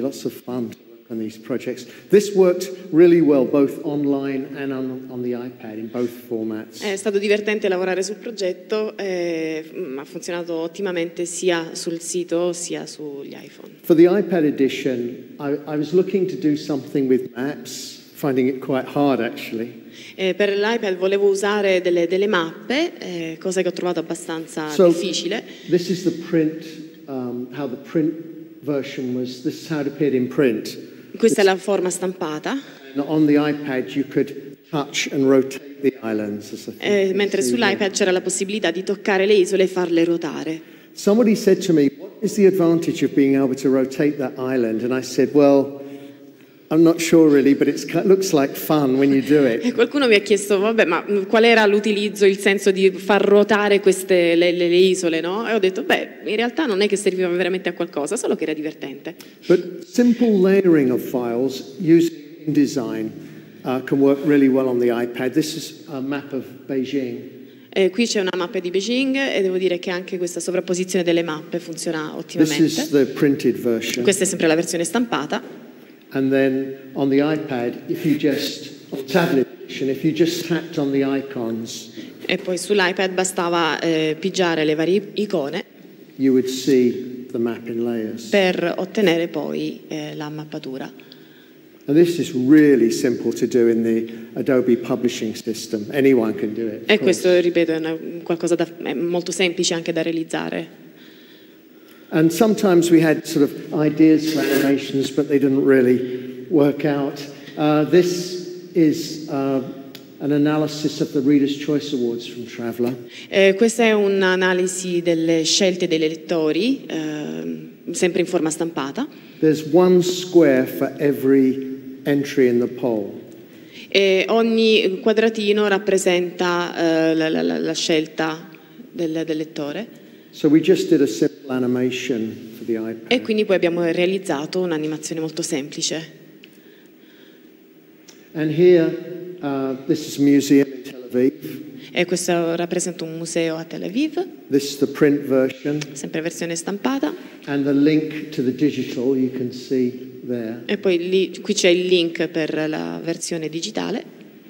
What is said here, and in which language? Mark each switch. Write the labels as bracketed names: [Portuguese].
[English] Lots of fun to work on these projects. This worked really well both online and on the iPad in both formats. [Italian] È stato divertente lavorare sul progetto, ha funzionato ottimamente sia sul sito sia sugli iPhone. [English] For the iPad edition, I was looking to do something with maps, finding it quite hard actually. [Italian] Per l'iPad volevo usare delle mappe, cosa che ho trovato abbastanza difficile. [English] This is the print, how the print version was, this is how it appeared in print. [Italian] Questa è la forma stampata. [English] On the iPad you could touch and rotate the islands. [Italian] Mentre sull'iPad c'era la possibilità di toccare le isole e farle ruotare. [English] Somebody said to me, what is the advantage of being able to rotate that island? And I said, well, I'm not sure really, but it looks like fun when you do it. [Italian] Qualcuno mi ha chiesto, vabbè, ma qual era l'utilizzo, il senso di far ruotare queste le isole, no? E ho detto, beh, in realtà non è che serviva veramente a qualcosa, solo che era divertente. [English] But simple layering of files using InDesign can work really well on the iPad. This is a map of Beijing. [Italian] Qui c'è una mappa di Beijing e devo dire che anche questa sovrapposizione delle mappe funziona ottimamente. [English] This is the printed version. [Italian] Questa è sempre la versione stampata. [English] And then on the iPad, if you just, on the tablet edition, if you just tapped on the icons. [Italian] E poi sull'iPad bastava pigiare le varie icone. [English] You would see the map in layers. [Italian] Per ottenere poi la mappatura. [English] And this is really simple to do in the Adobe Publishing System. Anyone can do it. [Italian] E questo, ripeto, è qualcosa da, è molto semplice anche da realizzare. [English] And sometimes we had sort of ideas for animations, but they didn't really work out. This is an analysis of the Reader's Choice Awards from Traveler. [Italian] Questa è un'analisi delle scelte degli elettori, sempre in forma stampata. [English] There's one square for every entry in the poll. [Italian] E ogni quadratino rappresenta la scelta del lettore. [English] So we just did a simple animation for the iPad. [Italian] E quindi poi abbiamo realizzato un'animazione molto semplice. [English] And here, this is a museum in Tel Aviv. [Italian] E questo rappresenta un museo a Tel Aviv. [English] This is the print version. [Italian] Sempre versione stampata. [English] And the link to the digital you can see there. [Italian] E poi lì, qui c'è il link per la versione digitale.